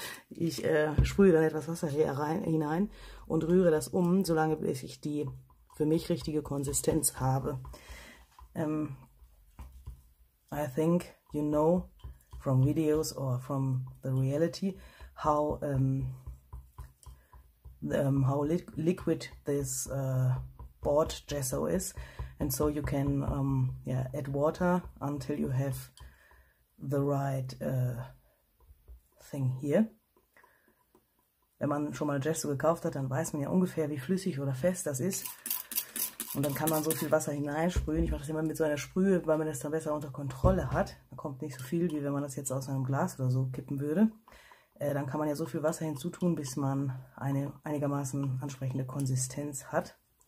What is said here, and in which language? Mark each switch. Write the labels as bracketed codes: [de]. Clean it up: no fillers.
[de] Ich sprühe dann etwas Wasser hier hinein und rühre das um, solange bis ich die für mich richtige Konsistenz habe. [en] I think you know from videos or from the reality how how liquid this board gesso is, and so you can add water until you have the right thing here. [de] Wenn man schon mal Gesso gekauft hat, dann weiß man ja ungefähr, wie flüssig oder fest das ist. Und dann kann man so viel Wasser hineinsprühen. Ich mache das immer mit so einer Sprühe, weil man das dann besser unter Kontrolle hat. Da kommt nicht so viel, wie wenn man das jetzt aus einem Glas oder so kippen würde. Dann kann man ja so viel Wasser hinzutun, bis man eine einigermaßen ansprechende Konsistenz hat.